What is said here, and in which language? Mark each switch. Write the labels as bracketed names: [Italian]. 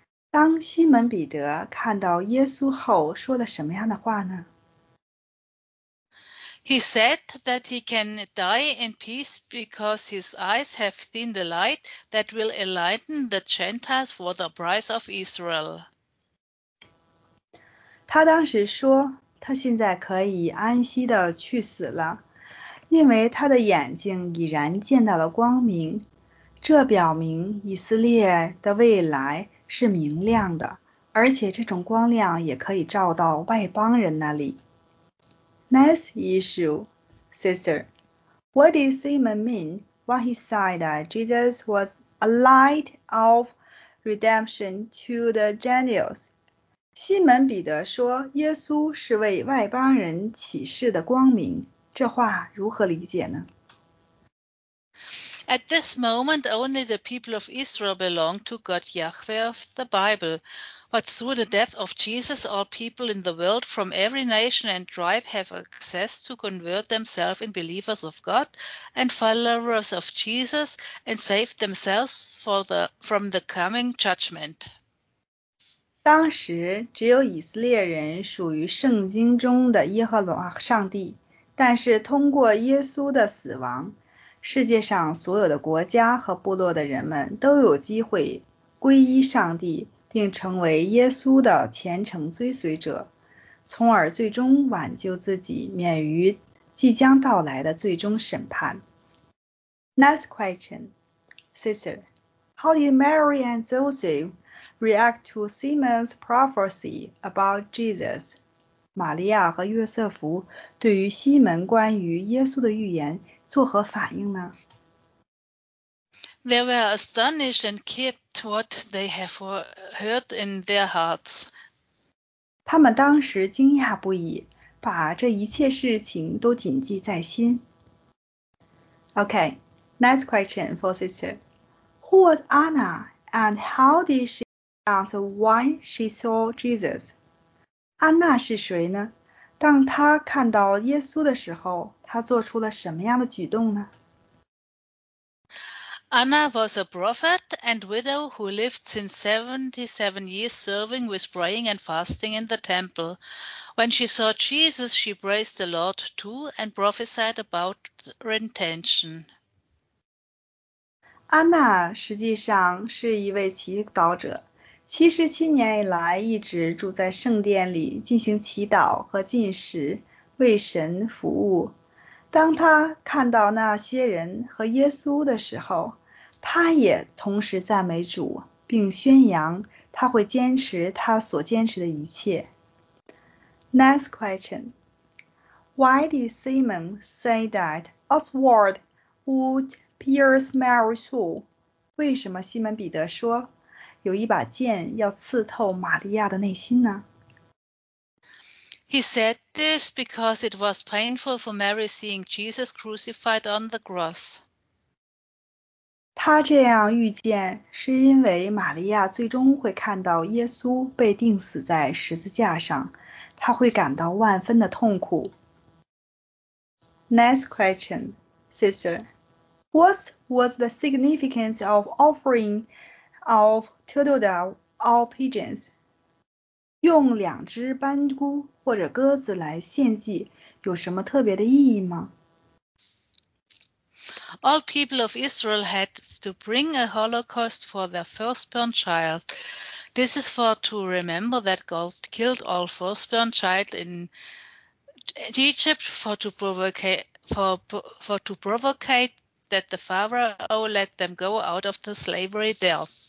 [Chinese] 当西门彼得看到耶稣后说了什么样的话呢？ [English] He said that he can die in peace because his eyes have seen the light that will enlighten the Gentiles for the price of Israel. [Chinese] 他当时说，他现在可以安息地去死了，因为他的眼睛已然见到了光明。这表明以色列的未来是明亮的，而且这种光亮也可以照到外邦人那里。 [English] Next issue, sister. What did Simon mean when he said that Jesus was a light of redemption to the Gentiles? [Chinese] 西门彼得说耶稣是为外邦人启示的光明，这话如何理解呢？ [English] At this moment, only the people of Israel belong to God Yahweh of the Bible, but through the death of Jesus, all people in the world from every nation and tribe have access to convert themselves in believers of God and followers of Jesus and save themselves from the coming judgment. [Chinese] 当时只有以色列人属于圣经中的耶和华上帝，但是通过耶稣的死亡，世界上所有的国家和部落的人们都有机会皈依上帝，并成为耶稣的虔诚追随者，从而最终挽救自己免于即将到来的最终审判。 [English] Next question, sister. How did Mary and Joseph react to Simon's prophecy about Jesus? [Chinese] 玛利亚和约瑟夫对于西门关于耶稣的预言作何反应呢？ [English] They were astonished and kept what they have heard in their hearts. [Chinese] 他们当时惊讶不已，把这一切事情都谨记在心。 [English] Okay, next question for sister. Who was Anna and how did she answer why she saw Jesus? [Chinese] 安娜是谁呢？当她看到耶稣的时候，她做出了什么样的举动呢？ [English] Anna was a prophet and widow who lived since 77 years serving with praying and fasting in the temple. When she saw Jesus, she praised the Lord too and prophesied about her intention. [Chinese] 安娜实际上是一位祈祷者，77年以来一直住在圣殿里进行祈祷和进食，为神服务。当她看到那些人和耶稣的时候，她也同时赞美主，并宣扬她会坚持她所坚持的一切。 [English] Next question. Why did Simon say that Oswald would pierce Mary's soul? [Chinese] 为什么西门彼得说有一把剑要刺透玛利亚的内心呢？ [English] He said this because it was painful for Mary seeing Jesus crucified on the cross. [Chinese] 他这样预见是因为玛利亚最终会看到耶稣被钉死在十字架上，他会感到万分的痛苦。 [English] Next question, sister. What was the significance of offering of turtle dove or pigeons? [Chinese] 用两只斑鸠或者鸽子来献祭，有什么特别的意义吗？ [English] All people of Israel had to bring a holocaust for their firstborn child. This is for to remember that God killed all firstborn child in Egypt for to provocate that the Pharaoh let them go out of the slavery there.